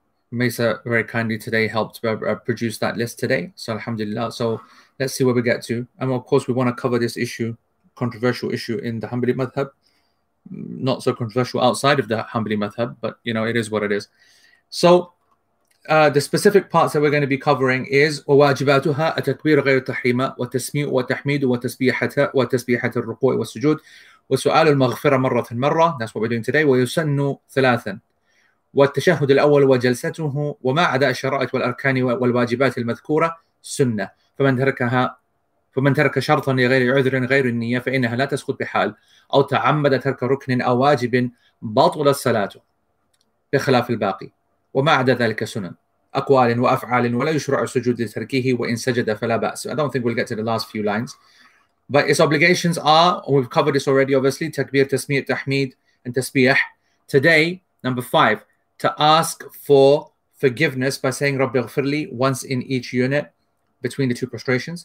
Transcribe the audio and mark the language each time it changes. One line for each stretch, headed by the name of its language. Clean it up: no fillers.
English: Mesa very kindly today helped produce that list today, so alhamdulillah. So let's see where we get to, and of course we want to cover this issue, controversial issue in the Hanbali madhab, not so controversial outside of the Hanbali madhab, but you know, it is what it is. So the specific parts that we're going to be covering is
Arabic: وواجباتها التكبير غير التحريمة والتسميع والتحميد والتسبيحة الركوع والسجود وسؤال المغفرة مرة مرة.
English: That's what we're doing today.
Arabic: ويسن ثلاثا والتشهد الأول وجلسته وما عدا الشرائط والأركان والواجبات المذكورة سنة فمن تركها شرطا لغير عذر غير النية فإنها لا تسقط بحال أو تعمد ترك ركن أو واجب بطل صلاته بخلاف الباقي وما عدا ذلك سنن. أقوال وأفعال ولا يشرع السجود لتركه وإن سجد فلا بأس.
English: I don't think we'll get to the last few lines. But its obligations are, we've covered this already, obviously,
Arabic: تكبير, تسميع, تحميد,
English: and تسبيح. Today, number five, to ask for forgiveness by saying
Arabic: رب اغفر لي
English: once in each unit between the two prostrations.